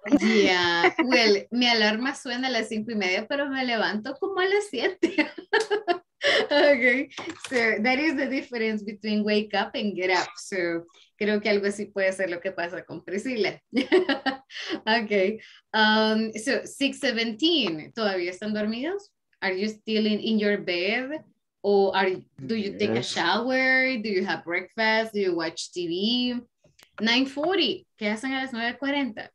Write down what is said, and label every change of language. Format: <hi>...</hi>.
<en>Yeah, well,</en> <es>mi alarma suena a las 5:30, pero me levanto como a las 7.</es> <en>Okay, so that is the difference between wake up and get up.</en> <es>So creo que algo así puede ser lo que pasa con Priscila. Okay, so 6:17, ¿todavía están dormidos?</es> <en>Are you still in your bed? Or do you take a shower? Do you have breakfast? Do you watch TV? 9:40,</en> <es>¿qué hacen a las 9:40?</es>